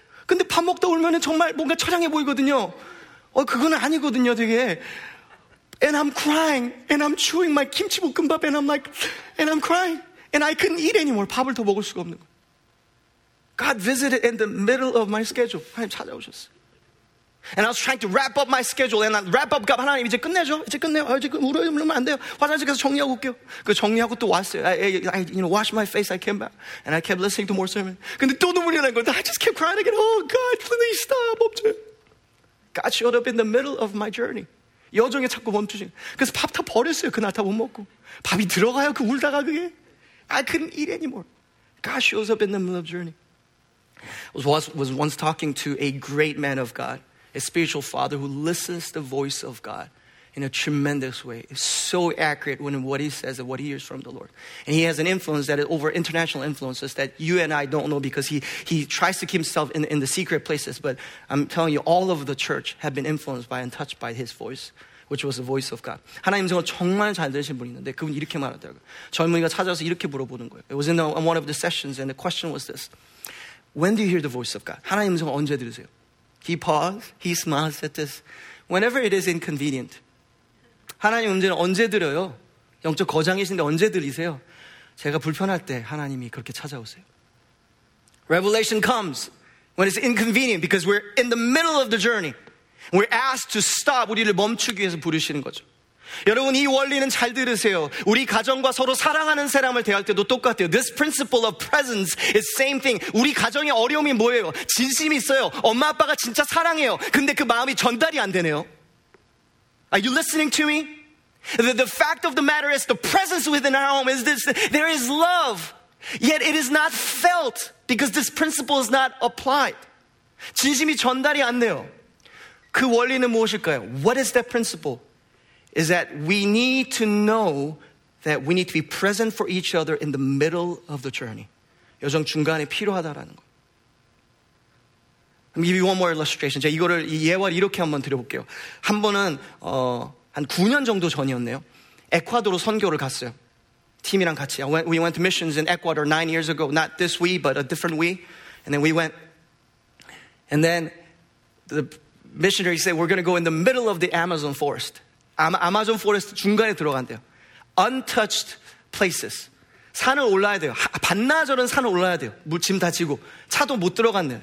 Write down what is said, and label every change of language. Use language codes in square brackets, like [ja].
[ko] 근데 밥 먹다 울면 정말 뭔가 처량해 보이거든요. 그거는 아니거든요, 되게. [en] And I'm crying. And I'm chewing my 김치 볶음밥. And I'm like, and I'm crying. And I couldn't eat anymore. [ko] 밥을 더 먹을 수가 없는 거예요. [en] God visited in the middle of my schedule. [ko] 하나님 찾아오셨어요. [en] And I was trying to wrap up my schedule and I wrap up God. [ko] 하나님 이제 끝내줘. 이제 끝내요. 이제 울으면 안 돼요. 화장실 가서 정리하고 올게요. 그 정리하고 또 왔어요. [en] I you know, washed my face. I came back. And I kept listening to more sermon. [ko] 근데 또 눈물이 난 거예요. [en] I just kept crying again. Oh God, please stop. [ko] 멈춰. [en] God showed up in the middle of my journey. [ko] 여정에 자꾸 멈추지. 그래서 밥 다 버렸어요. 그날 다 못 먹고. 밥이 들어가요. 그 울다가 그게. [en] I couldn't eat anymore. God shows up in the middle of journey. I was once talking to a great man of God. A spiritual father who listens to the voice of God in a tremendous way. It's so accurate when what he says and what he hears from the Lord. And he has an influence that is over international influences that you and I don't know because he tries to keep himself in the secret places. But I'm telling you, all of the church have been influenced by and touched by his voice, which was the voice of God. [ko] 하나님 정말 정말 잘 들으신 분이 있는데 그분이 이렇게 말하더라고요. 젊은이가 찾아와서 이렇게 물어보는 거예요. [en] It was in one of the sessions and the question was this. When do you hear the voice of God? [ko] 하나님 정말 언제 들으세요? [en] He paused, he smiles at this. Whenever it is inconvenient. [ko] 하나님 음성은 언제 들어요? 영적 거장이신데 언제 들리세요? 제가 불편할 때 하나님이 그렇게 찾아오세요. [en] Revelation comes when it's inconvenient because we're in the middle of the journey. We're asked to stop, [ko] 우리를 멈추기 위해서 부르시는 거죠. 여러분 이 원리는 잘 들으세요. 우리 가정과 서로 사랑하는 사람을 대할 때도 똑같아요. [en] This principle of presence is same thing. [ko] 우리 가정의 어려움이 뭐예요? 진심이 있어요. 엄마 아빠가 진짜 사랑해요. 근데 그 마음이 전달이 안 되네요. [en] Are you listening to me? The fact of the matter is the presence within our home is this. There is love. Yet it is not felt because this principle is not applied. [ko] 진심이 전달이 안 돼요. 그 원리는 무엇일까요? [en] What is that principle? Is that we need to know that we need to be present for each other in the middle of the journey. [ko] 여정 중간에 필요하다라는 거. [en] Let me give you one more illustration. [ko] 제가 이거를 예화 이렇게 한번 드려볼게요. 한 번은 한 9년 정도 전이었네요. 에콰도르 선교를 갔어요. 팀이랑 같이. [en] We went to missions in Ecuador 9 years ago. Not this we, but a different we. And then we went. And then the missionary said, we're going to go in the middle of the Amazon forest. [ko] 아마존 포레스트 중간에 들어간대요. [en] Untouched places. [ko] 산을 올라야 돼요. 반나절은 산을 올라야 돼요. 물 짐 다 지고 차도 못 들어간대요.